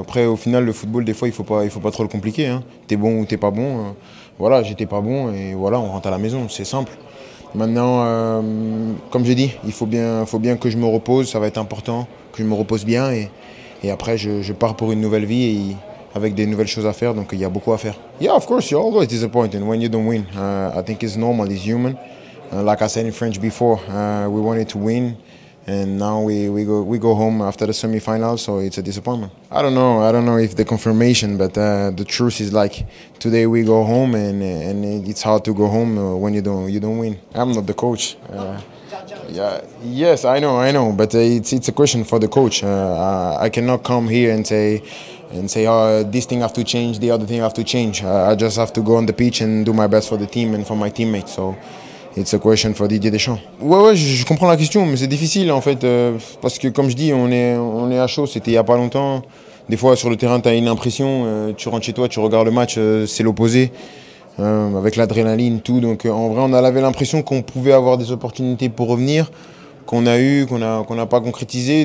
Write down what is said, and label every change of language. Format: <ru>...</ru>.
<fr>Après, au final, le football, des fois, il faut pas trop le compliquer. Hein. T'es bon ou t'es pas bon. Voilà, j'étais pas bon et voilà, on rentre à la maison. C'est simple. Maintenant, comme j'ai dit, il faut bien que je me repose. Ça va être important que je me repose bien et après, je pars pour une nouvelle vie et avec des nouvelles choses à faire. Donc, il y a beaucoup à faire.</fr> <en>Yeah, of course, you're always disappointed when you don't win. I think it's normal, it's human. Like I said in French before, we wanted to win. And now we go home after the semi-final, so it's a disappointment. I don't know if the confirmation, but the truth is like today we go home and it's hard to go home when you don't win. I'm not the coach. Yes, I know, but it's a question for the coach. I cannot come here and say oh, this thing have to change, the other thing have to change. I just have to go on the pitch and do my best for the team and for my teammates. So. It's a question for Didier Deschamps.</en> <fr>Ouais, je comprends la question, mais c'est difficile en fait. Parce que comme je dis, on est à chaud, c'était il n'y a pas longtemps. Des fois, sur le terrain, tu as une impression. Tu rentres chez toi, tu regardes le match, c'est l'opposé. Avec l'adrénaline, tout. Donc en vrai, on avait l'impression qu'on pouvait avoir des opportunités pour revenir, qu'on n'a pas concrétisé.</fr>